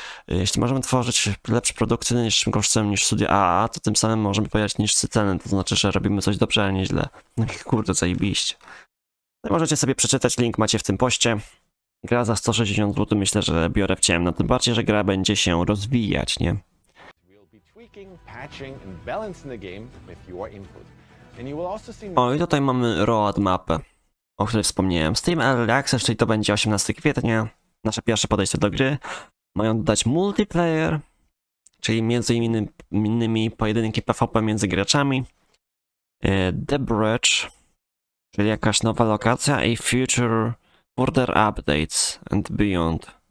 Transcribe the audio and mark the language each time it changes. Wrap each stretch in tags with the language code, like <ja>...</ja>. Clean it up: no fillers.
<pl>Jeśli możemy tworzyć lepsze produkty niższym kosztem niż studia AA, to tym samym możemy pojawić niższe ceny, to znaczy, że robimy coś dobrze, a nie źle. Kurde, zajebiście. No możecie sobie przeczytać, link macie w tym poście. Gra za 160 zł, myślę, że biorę w ciemno. Tym bardziej, że gra będzie się rozwijać, nie?</pl> <en>tweaking, patching and balancing the game with your input. And you will also see...</en> <pl>O, i tutaj mamy road mapę, o której wspomniałem. Steam Early Access, czyli to będzie 18 kwietnia. Nasze pierwsze podejście do gry. Mają dodać multiplayer, czyli między innymi pojedynki PvP między graczami. The Bridge, czyli jakaś nowa lokacja i Future Border Updates and Beyond.</pl>